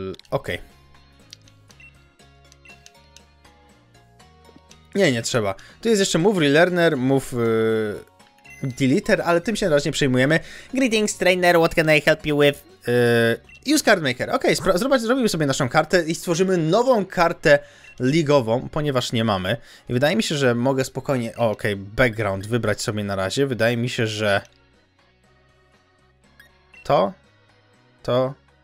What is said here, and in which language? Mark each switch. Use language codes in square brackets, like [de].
[pl] Okej. Okay. Nie, nie trzeba. Tu jest jeszcze Move Relearner, Move... Deleter, ale tym się na razie nie przejmujemy. [en] Greetings, trainer, what can I help you with? Use Card Maker. [pl] Okej, okay, zrobimy sobie naszą kartę i stworzymy nową kartę ligową, ponieważ nie mamy. I wydaje mi się, że mogę spokojnie... Okej, okay, background wybrać sobie na razie. Wydaje mi się, że... To? to...